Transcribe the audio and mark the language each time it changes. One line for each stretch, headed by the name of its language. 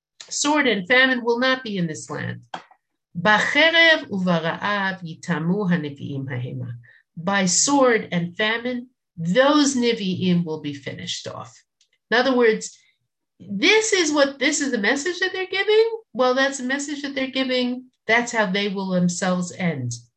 English: Sword and famine will not be in this land.
Hebrew: בחרב וברעב יתאמו הנביאים ההמה.
English: By sword and famine, those Nevi'im will be finished off. In other words, this is the message that they're giving? Well, that's the message that they're giving. That's how they will themselves end.